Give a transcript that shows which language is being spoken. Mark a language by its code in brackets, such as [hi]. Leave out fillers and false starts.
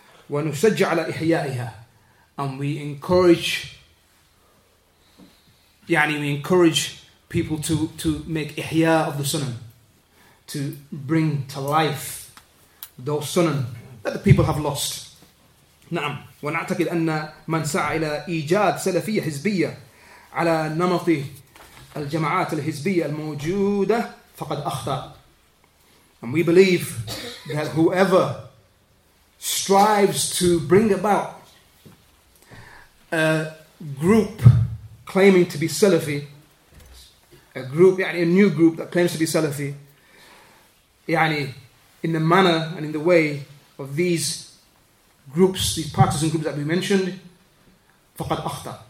[ar] ونشجع على إحيائها. [en] And we encourage people to make ihya of the sunnah, to bring to life those sunnah that the people have lost. [ar] نعم. ونعتقد أن من سعى إلى إيجاد سلفية حزبية على نمط الجماعات الحزبية الموجودة فقد أخطأ. [en] And we believe that whoever strives to bring about a group claiming to be Salafi, a new group that claims to be Salafi, in the manner and in the way of these groups, these partisan groups that we mentioned, [ar] فَقَدْ أَخْطَى.